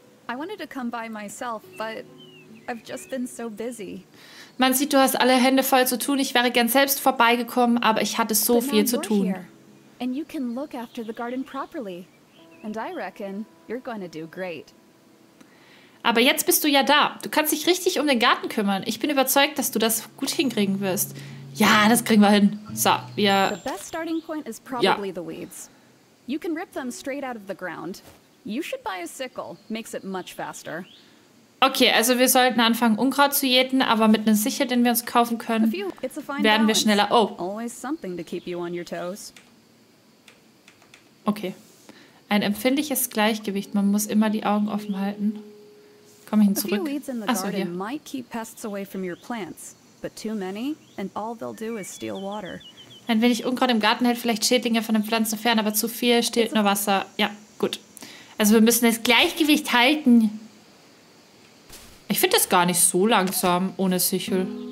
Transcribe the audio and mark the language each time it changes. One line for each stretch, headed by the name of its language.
English: I wanted to come by myself, but I've just been so busy.
German: Man sieht, du hast alle Hände voll zu tun. Ich wäre gern selbst vorbeigekommen, aber ich hatte so viel zu tun.
English: And you can look after the garden properly. And I reckon you're going to do great.
German: Aber jetzt bist du ja da. Du kannst dich richtig um den Garten kümmern. Ich bin überzeugt, dass du das gut hinkriegen wirst. Ja, das kriegen wir hin. So, wir... Ja.
English: The best starting point is probably the weeds. You can rip them straight out of the ground. You should buy a sickle. Makes it much faster.
German: Okay, also wir sollten anfangen, Unkraut zu jäten, aber mit einem Sichel, den wir uns kaufen können, werden wir schneller. Oh.
English: Always something to keep you on your toes.
German: Okay. Ein empfindliches Gleichgewicht. Man muss immer die Augen offen halten. Komm ich zurück? Achso, hier.
English: Might keep pests away from your plants, but too many, and all they'll do is steal water.
German: Ein wenig Unkraut im Garten hält vielleicht Schädlinge von den Pflanzen fern, aber zu viel stiehlt nur Wasser. Ja, gut. Also wir müssen das Gleichgewicht halten. Ich finde das gar nicht so langsam ohne Sichel.